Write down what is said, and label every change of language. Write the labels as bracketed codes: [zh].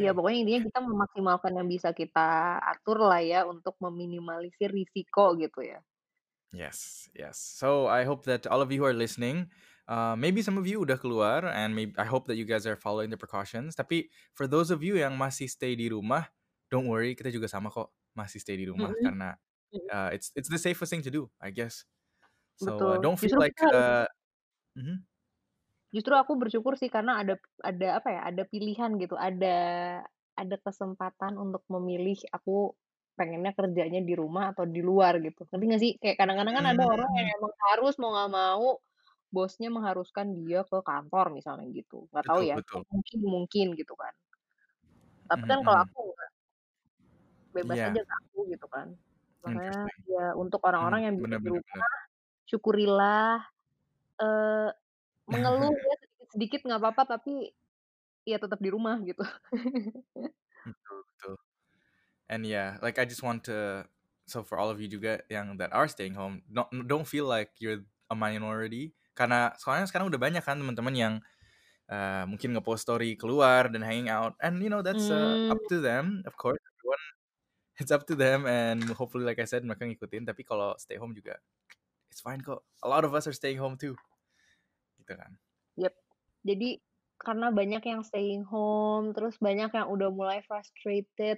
[id] Iya, pokoknya intinya kita memaksimalkan yang bisa kita atur lah ya, untuk meminimalisir risiko gitu ya. [en] Yes. So I hope that all of you who are listening, maybe some of you [id] udah keluar, [en] and maybe I hope that you guys are following the precautions. [id] Tapi [en] for those of you [id] yang masih [en] stay [id] di rumah, don't worry, kita juga sama kok, masih [en] stay [id] di rumah karena [en] it's the safest thing to do, I guess. So don't feel [id] Justru aku bersyukur sih karena ada apa ya, ada pilihan gitu, ada kesempatan untuk memilih aku pengennya kerjanya di rumah atau di luar gitu. Ngerti nggak sih? Kayak kadang-kadang kan ada orang yang emang harus mau nggak mau, bosnya mengharuskan dia ke kantor misalnya gitu, nggak tahu ya, mungkin gitu kan. Tapi kan kalau aku bebas aja ke aku gitu kan. Makanya ya untuk orang-orang yang bisa di rumah, syukurilah, mengeluh ya sedikit-sedikit nggak apa-apa, tapi ya tetap di rumah gitu. Betul. [en] And yeah, like I just want to, so for all of you [id] juga yang [en] that are staying home, don't feel like you're a minority. [id] Karena soalnya sekarang udah banyak kan teman-teman yang mungkin nge-post story keluar dan [en] hanging out. And you know, that's up to them, of course. Everyone, it's up to them, and hopefully like I said, [id] mereka ngikutin. Tapi kalau [en] stay home [id] juga, [en] it's fine [id] kok. [en] A lot of us are staying home too. [id] Gitu kan. [en] Yep. [id] Jadi karena banyak yang [en] staying home, [id] terus banyak yang udah mulai frustrated.